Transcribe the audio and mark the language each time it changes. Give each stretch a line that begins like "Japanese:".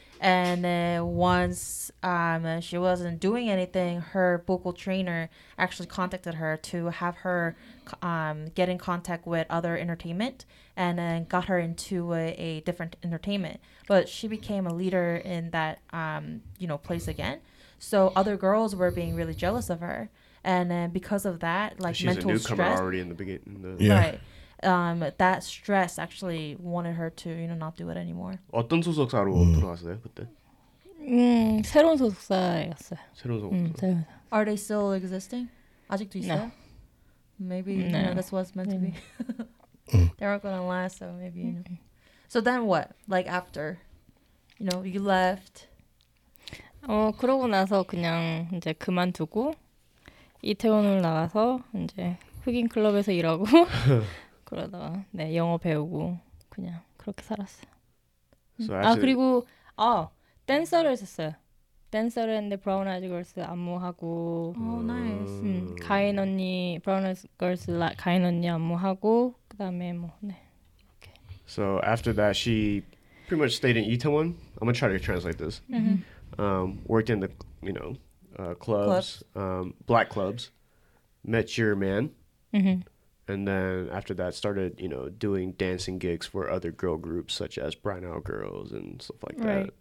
English: And once she wasn't doing anything, her vocal trainer actually contacted her to have her get in contact with other entertainment and then got her into a different entertainment. But she became a leader in that place again. So other girls were being really jealous of her. And because of that, like she's mental stress. She's a newcomer already in the beginning. Yeah. Right. that stress actually wanted her to, you know, not do it anymore.
Korean: 어떤 소속사로 들어갔어요 그때? 새로운 소속사였어요. 새로운 소속사.
English: Are they still existing?
Korean: 아직도 있어?
English: Maybe you know this was meant to be. They're not gonna last, so maybe you know. So then what? Like after, you know, you left.
Korean: 그러고 나서 그냥 이제 그만두고 이태원을 나가서 이제 흑인 클럽에서 일하고 그러다가 네 영어 배우고 그냥 그렇게 살았어요. 아 그리고 아 댄서를 했었어요. 댄서를 했는데 브라운 아이즈 걸스 안무하고
English: 나이스
Korean: 가인 언니 브라운 아이즈 걸스 가인 언니 안무하고 그 다음에 뭐 네
English: So after that she pretty much stayed in Itaewon. I'm gonna try to translate this. Worked in the you know clubs, black clubs. Met your man. And then after that started you know doing dancing gigs for other girl groups such as Brown Owl Girls and stuff like that.